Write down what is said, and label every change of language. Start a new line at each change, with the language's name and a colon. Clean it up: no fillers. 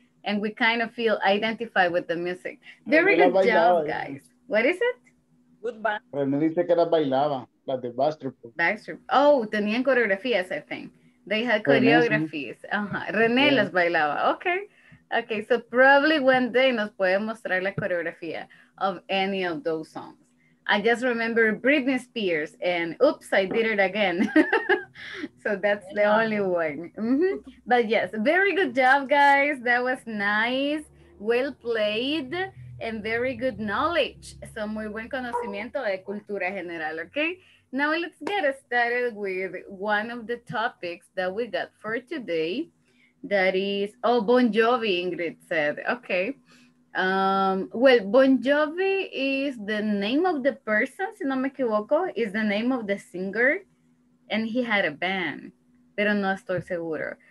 English: And we kind of feel identified with the music. Very good job, guys. What is it? Goodbye.
Spanish: René dice que las bailaba, las de Backstreet Boys.
English: Backstreet. Oh,
Spanish: tenían coreografías,
English: I think. They had choreographies. Uh-huh.
Spanish: René las bailaba.
English: Okay. Okay, so probably one day
Spanish: nos puede mostrar la coreografía
English: of any of those songs. I just remember Britney Spears and oops, I did it again. So that's the only one. Mm-hmm. But yes, very good job, guys. That was nice, well played, and very good knowledge.
Spanish: So muy buen conocimiento de cultura general, okay?
English: Now let's get started with one of the topics that we got for today. That is, oh, Bon Jovi, Ingrid said, okay. Well, Bon Jovi is the name of the person,
Spanish: si no me equivoco,
English: is the name of the singer, and he had a band,
Spanish: pero no estoy seguro.